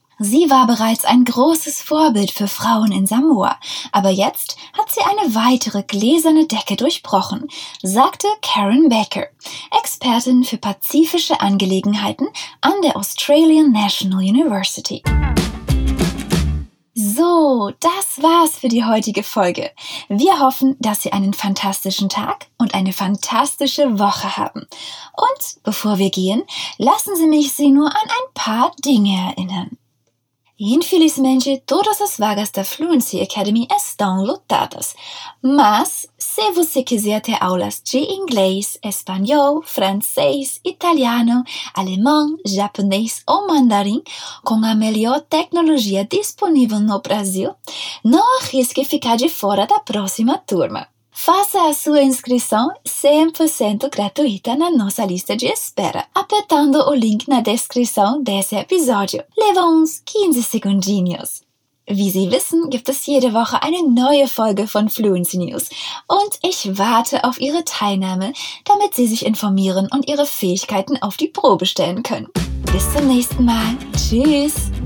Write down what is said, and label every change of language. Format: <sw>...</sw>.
<de>Sie war bereits ein großes Vorbild für Frauen in Samoa, aber jetzt hat sie eine weitere gläserne Decke durchbrochen, sagte Karen Becker, Expertin für pazifische Angelegenheiten an der Australian National University. So, das war's für die heutige Folge. Wir hoffen, dass Sie einen fantastischen Tag und eine fantastische Woche haben. Und bevor wir gehen, lassen Sie mich Sie nur an ein paar Dinge erinnern.</de> <pt>Infelizmente, todas as vagas da Fluency Academy estão lotadas. Mas, se você quiser ter aulas de inglês, espanhol, francês, italiano, alemão, japonês ou mandarim com a melhor tecnologia disponível no Brasil, não arrisque ficar de fora da próxima turma. Faça a sua inscrição 100% gratuita na nossa lista de espera, apertando o link na descrição desse episódio. Leva uns 15 segundinhos.</pt> <de>Wie Sie wissen, gibt es jede Woche eine neue Folge von Fluency News und ich warte auf Ihre Teilnahme, damit Sie sich informieren und Ihre Fähigkeiten auf die Probe stellen können. Bis zum nächsten Mal. Tschüss!</de>